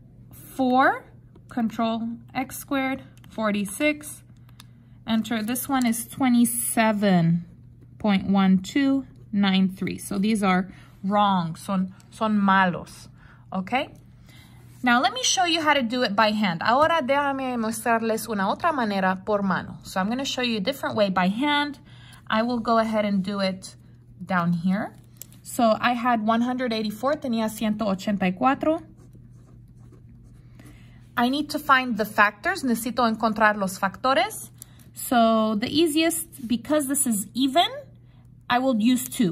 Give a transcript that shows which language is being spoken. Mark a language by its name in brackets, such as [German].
[English] 4, control x squared, 46. Enter. This one is 27.1293. So these are wrong. [Spanish] Son malos. [English] Okay? Now, let me show you how to do it by hand. [Spanish] Ahora déjame mostrarles una otra manera por mano. [English] So, I'm going to show you a different way by hand. I will go ahead and do it down here. So, I had 184. [Spanish] Tenía 184. [English] I need to find the factors. [Spanish] Necesito encontrar los factores. [English] So, the easiest, because this is even, I will use 2.